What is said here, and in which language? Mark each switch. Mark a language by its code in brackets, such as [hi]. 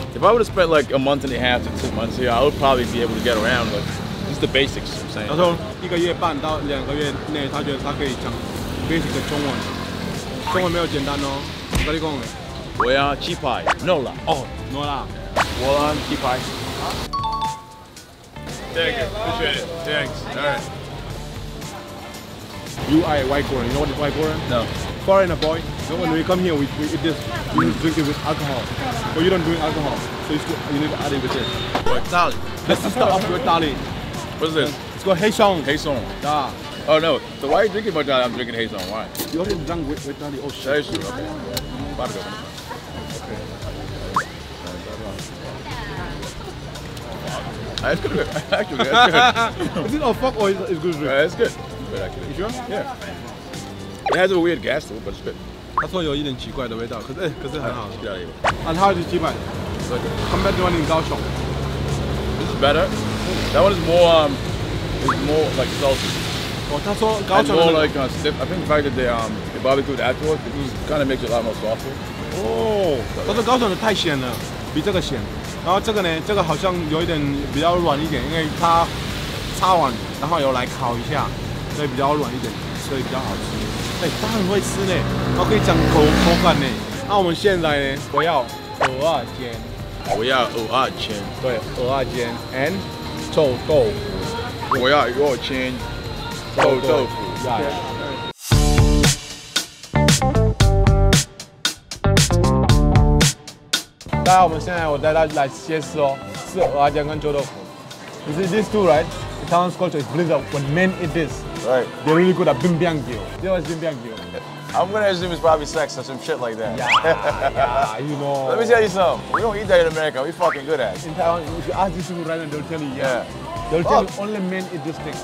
[en] If I would have spent like a month and a half to 2 months here, I would probably be able to get around. But just the basics, I'm saying. [zh] 他说一个月半到两个月内，他觉得他可以讲 basic 的中文。中文没有简单哦。我跟你讲，我要鸡排。 [en] No la. Oh, no la. [zh] 我要鸡排。 [en] Thank you. Appreciate it. Thanks. All right. You are a white girl, you know what is white girl? No. Foreigner boy. So when we come here, we eat this. We drink it with alcohol. But you don't drink alcohol. So you need to add it with this. What? Dali. This is the off your Dali. What is this? It's called Hei Song. Hei Song. Da. Oh no. So why are you drinking my Dali? I'm drinking Hei Song. Why? You already drank with Dali. Oh shit. That is true. Okay. About to go. Okay. It's good. Actually, it's good. Is it a fuck or is it good drink? Yeah, it's good. You sure? Yeah. It has a weird gas though, but it's good. [zh] 他说有一点奇怪的味道，可是可是很好。加油。 [en] And how is the 鸡排 Good. Compared to the one in Kao Siong. This is better. That one is more, it's more like salty. [zh] 他说高雄。 [en] More like stiff. I think the fact that they barbecued afterwards, it kind of makes it a lot more softer. Oh. [zh] 他说高雄的太咸了，比这个咸。然后这个呢，这个好像有一点比较软一点，因为它擦完然后有来烤一下。所以比较软一点，所以比较好吃。哎、欸，他很会吃呢，我可以讲口感呢。那、啊、我们现在呢，我要蚵仔煎，我要蚵仔煎，对，蚵仔煎 and 臭豆腐，我要蚵仔煎臭豆腐。大家，我们现在我带大家来试一试哦，是蚵仔煎跟臭豆腐。 [en] You see these two, right? The Taiwan culture is believed that when men eat this. Right. They're really good at bim biang gyo. They always bim biang gyo. I'm gonna assume it's probably sex or some shit like that. Yeah, you know. Let me tell you something. We don't eat that in America. We fucking good at it. In Taiwan, if you ask these people right now, they'll tell you, yeah. They'll tell you only men eat this steak.